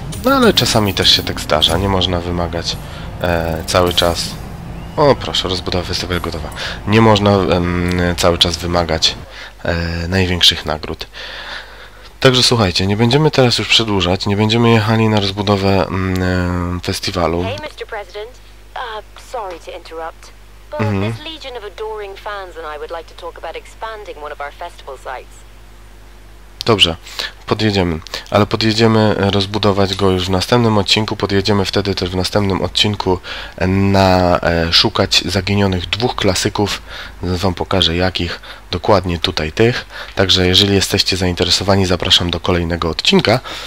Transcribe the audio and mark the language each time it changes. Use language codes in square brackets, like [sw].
[pl] No ale czasami też się tak zdarza. Nie można wymagać cały czas. O, proszę, rozbudowa wystawy gotowa. Nie można cały czas wymagać największych nagród. Także słuchajcie, nie będziemy teraz już przedłużać, nie będziemy jechali na rozbudowę festiwalu. [en] Hey, Mr. President. Sorry to interrupt. But this legion of adoring fans and I would like to talk about expanding one of our festival sites. [pl] Dobrze, podjedziemy. Ale podjedziemy rozbudować go już w następnym odcinku. Podjedziemy wtedy też w następnym odcinku na szukać zaginionych 2 klasyków. Wam pokażę jakich. Dokładnie tutaj tych. Także jeżeli jesteście zainteresowani, zapraszam do kolejnego odcinka.